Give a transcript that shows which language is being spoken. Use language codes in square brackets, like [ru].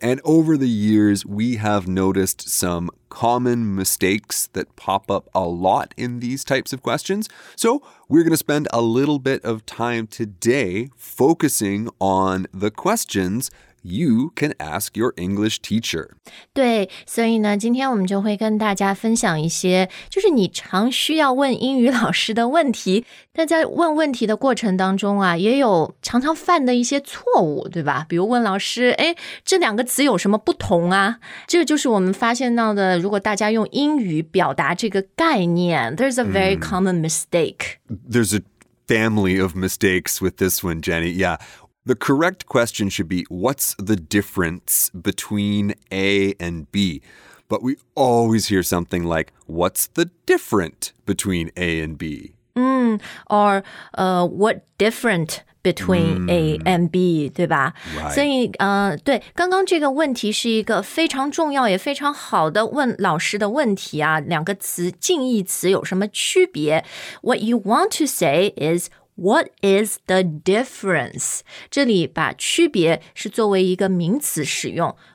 [en] And over the years, we have noticed some common mistakes that pop up a lot in these types of questions. So we're going to spend a little bit of time today focusing on the questions you can ask your English teacher. [zh] 对，所以呢，今天我们就会跟大家分享一些就是你常需要问英语老师的问题。但在问问题的过程当中啊，也有常常犯的一些错误，对吧？比如问老师，哎，这两个词有什么不同啊？这就是我们发现到的，如果大家用英语表达这个概念 ， [en] there's a very common mistake. There's a family of mistakes with this one, Jenny. Yeah, the correct question should be, what's the difference between A and B? But we always hear something like, what's the different between A and B? Or what different between A and B, [zh] 对吧、 [en] right. [zh] 所以对，刚刚这个问题是一个非常重要也非常好的问老师的问题啊，两个词，近义词有什么区别？ [en] What you want to say is, what is the difference? [zh] 这里把区别是作为一个名词使用。